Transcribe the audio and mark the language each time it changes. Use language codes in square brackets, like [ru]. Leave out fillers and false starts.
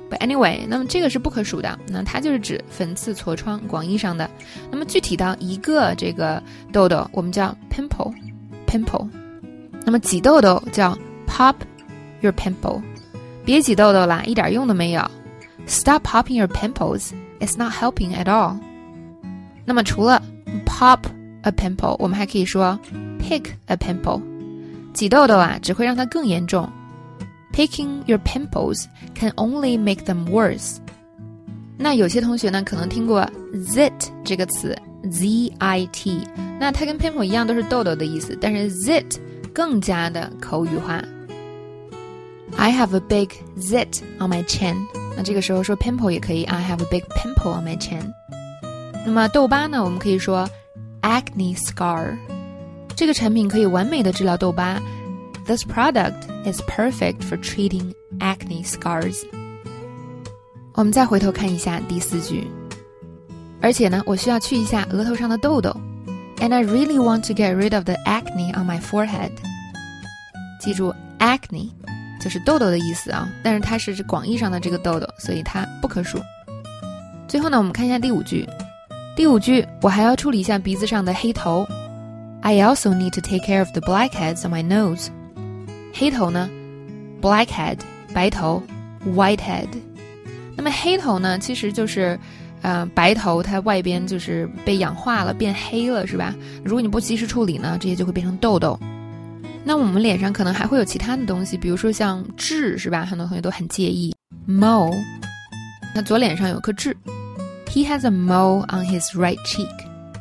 [en] But anyway， [zh] 那么这个是不可数的，那它就是指粉刺、痤疮，广义上的。那么具体到一个这个痘痘，我们叫 pimple， 那么挤痘痘叫 pop your pimple， 别挤痘痘了，一点用都没有。 [en] Stop popping your pimples， it's not helping at all。 [zh] 那么除了 pop a pimple， 我们还可以说 pick a pimple， 挤痘痘啊只会让它更严重。 [en] Picking your pimples can only make them worse. [zh] 那有些同学呢可能听过 zit 这个词 ,z-i-t, 那它跟 pimple 一样都是痘痘的意思，但是 zit 更加的口语化。 [en] I have a big zit on my chin. [zh] 那这个时候说 pimple 也可以， [en] I have a big pimple on my chin. [zh] 那么痘疤呢，我们可以说 acne scar. 这个产品可以完美的治疗痘疤。 [en] This product is perfect for treating acne scars. [zh] 我们再回头看一下第四句。而且呢，我需要去一下额头上的痘痘。 [en] And I really want to get rid of the acne on my forehead. [zh] 记住 ，acne 就是痘痘的意思啊，但是它是广义上的这个痘痘，所以它不可数。最后呢，我们看一下第五句。第五句，我还要处理一下鼻子上的黑头。 [en] I also need to take care of the blackheads on my nose. [zh] 黑头呢 blackhead 白头 whitehead， 那么黑头呢其实就是白头它外边就是被氧化了变黑了是吧，如果你不及时处理呢，这些就会变成痘痘。那我们脸上可能还会有其他的东西，比如说像痣是吧，很多同学都很介意 mole， 那左脸上有颗痣 [en] he has a mole on his right cheek。